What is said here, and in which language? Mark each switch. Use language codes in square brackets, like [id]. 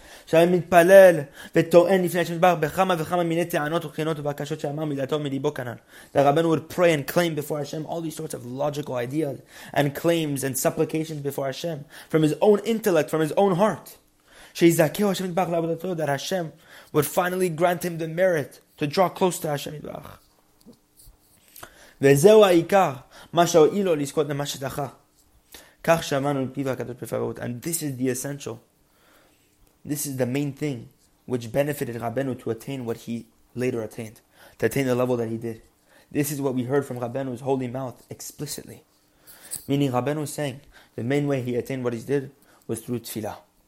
[en] That Rabbeinu would pray and claim before Hashem all these sorts of logical ideas and claims and supplications before Hashem from his own intellect, from his own heart. That Hashem would finally grant him the merit to draw close to Hashem Yitbarach. [he] וזהו העיקר, מה שהועיל לו לזכות למה שדחה. כך שמענו מפיו הקדוש בפירוט. [en] And this is the essential. This is the main thing which benefited Rabbeinu to attain what he later attained, to attain the level that he did. This is what we heard from Rabbeinu's holy mouth explicitly. Meaning Rabbeinu is saying, the main way he attained what he did was through tefillah.